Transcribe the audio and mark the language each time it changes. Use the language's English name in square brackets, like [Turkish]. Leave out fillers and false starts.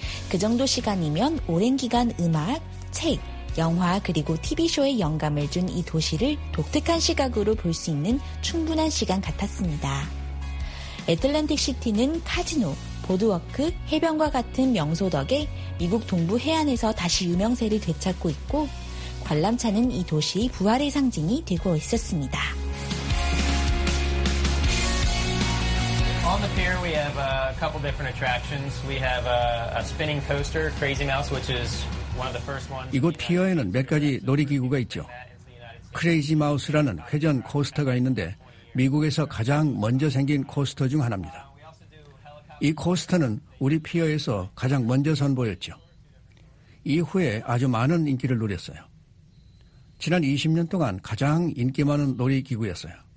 [Korean] 그 정도 시간이면 오랜 기간 음악, 책, 영화 그리고 TV쇼에 영감을 준 이 도시를 독특한 시각으로 볼 수 있는 충분한 시간 같았습니다. 애틀랜틱 시티는 카지노, 보드워크, 해변과 같은 명소 덕에 미국 동부 해안에서 다시 유명세를 되찾고 있고 관람차는 이 도시의 부활의 상징이 되고 있었습니다. [English] On the pier, we have a couple different attractions. We have a spinning coaster, Crazy Mouse, which is one of the first ones. [Korean] 이곳 피어에는 몇 가지 놀이기구가 있죠. 크레이지 마우스라는 회전 코스터가 있는데 미국에서 가장 먼저 생긴 코스터 중 하나입니다. 이 코스터는 우리 피어에서 가장 먼저 선보였죠. 이후에 아주 많은 인기를 누렸어요. 지난 20년 동안 가장 인기 많은 놀이기구였어요.